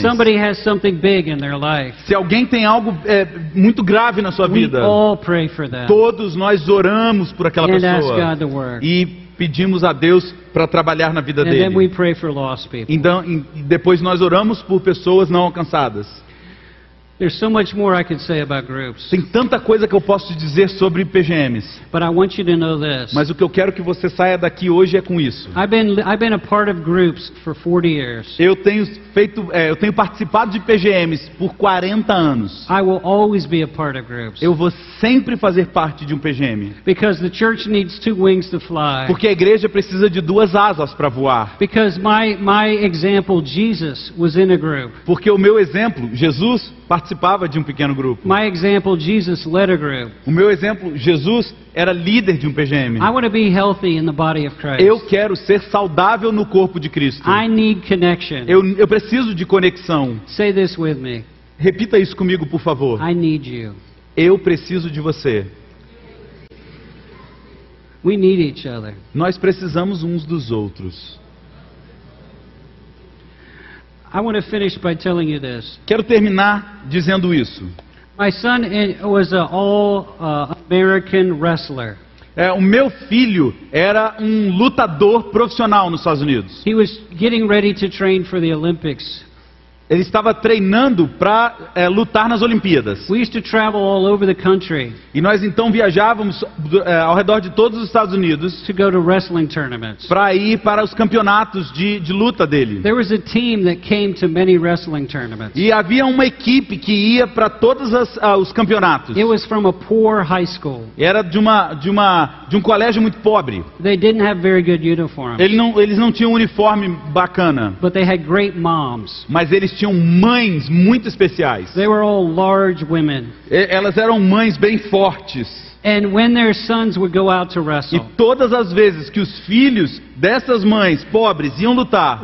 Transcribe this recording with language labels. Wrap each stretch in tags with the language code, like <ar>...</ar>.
<en>Somebody has something big in their life.</en> <pt>Se alguém tem algo muito grave na sua</pt> <en>we</en> <pt>vida.</pt> <en>All pray for them.</en> <pt>Todos nós oramos por aquela</pt> <en>And</en> <pt>pessoa.</pt> <en>Ask God to work.</en> <pt>E pedimos a Deus para trabalhar na vida</pt> <en>And</en> <pt>dele.</pt> <en>Then we pray for lost people.</en> <pt>Então, depois nós oramos por pessoas não alcançadas.</pt> <en>There's so much more I could say about groups.</en> <pt>Tem tanta coisa que eu posso dizer sobre PGMs.</pt> <en>But I want you to know this.</en> <pt>Mas o que eu quero que você saia daqui hoje é com isso.</pt> <en>I've been a part of groups for 40 years.</en> <pt>Eu tenho participado de PGMs por 40 anos.</pt> <en>I will always be a part of groups.</en> <pt>Eu vou sempre fazer parte de um PGM.</pt> <en>Because the church needs two wings to fly.</en> <pt>Porque a igreja precisa de duas asas para voar.</pt> <en>Because my example Jesus was in a group.</en> <pt>Porque o meu exemplo, Jesus, participava de um pequeno grupo.</pt> <en>My example, Jesus led a group.</en> <pt>O meu exemplo, Jesus era líder de um PGM.</pt> <en>I want to be healthy in the body of Christ.</en> <pt>Eu quero ser saudável no corpo de Cristo.</pt> <en>I need connection.</en> <pt>Eu preciso de conexão.</pt> <en>Say this with me.</en> <pt>Repita isso comigo, por favor.</pt> <en>I need you.</en> <pt>Eu preciso de você.</pt> <en>We need each other.</en> <pt>Nós precisamos uns dos outros.</pt> <en>I want to finish by telling you this.</en> <pt>Quero terminar dizendo isso.</pt> <en>My son was an all-American wrestler.</en> <pt>O meu filho era um lutador profissional nos Estados Unidos.</pt> <en>He was getting ready to train for the Olympics.</en> <pt>Ele estava treinando para lutar nas Olimpíadas.</pt> <en>We used to travel all over the country.</en> <pt>E nós então viajávamos ao redor de todos os Estados Unidos</pt> <en>to go to wrestling tournaments.</en> <pt>Para ir para os campeonatos de luta dele.</pt> <en>There was a team that came to many wrestling tournaments.</en> <pt>E havia uma equipe que ia para todos os campeonatos.</pt> <en>It was from a poor high school.</en> <pt>Era de um colégio muito pobre.</pt> <en>They didn't have very good uniforms.</en> <pt>Eles não tinham um uniforme bacana.</pt> <en>But they had great moms.</en> <pt>Mas eles tinham mães muito especiais.</pt> <en>They were all large women.</en> <pt>Elas eram mães bem fortes.</pt> <en>And when their sons would go out to wrestle,</en> <pt>e todas as vezes que os filhos dessas mães pobres iam lutar,</pt>